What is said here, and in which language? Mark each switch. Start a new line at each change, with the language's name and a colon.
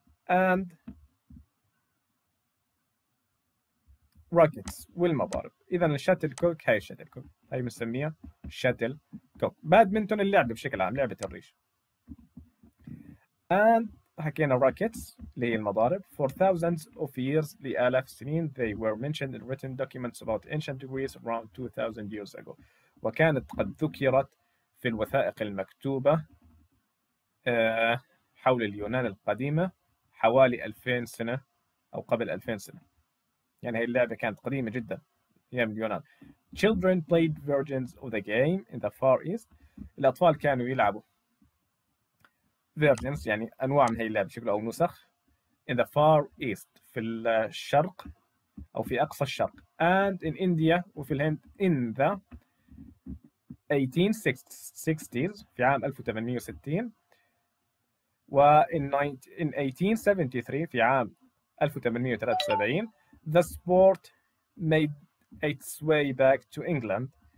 English: and rockets
Arabic: والمضارب. إذا الشاتلكوك، هاي الشاتلكوك، هاي بنسميها شاتلكوك. بادمنتون اللعبة بشكل عام، لعبة الريشة. and حكينا rockets للمضارب.
English: For thousands of years,
Arabic: لآلاف السنين,
English: they were mentioned in written documents about ancient Greece around 2000 years ago.
Arabic: وكانت قد ذكرت في الوثائق المكتوبة حول اليونان القديمة حوالي 2000 سنة أو قبل 2000 سنة. يعني هذه اللعبة كانت قديمة جدا أيام اليونان.
English: Children played versions of the game in the Far East.
Arabic: الأطفال كانوا يلعبوا versions يعني أنواع من هذه اللعبة بشكل أو نسخ
English: in the Far East
Arabic: في الشرق أو في أقصى الشرق
English: and in India
Arabic: وفي الهند
English: in the 1860s
Arabic: في عام 1860 و
English: in 1873
Arabic: في عام 1873
English: the sport made its way back to England.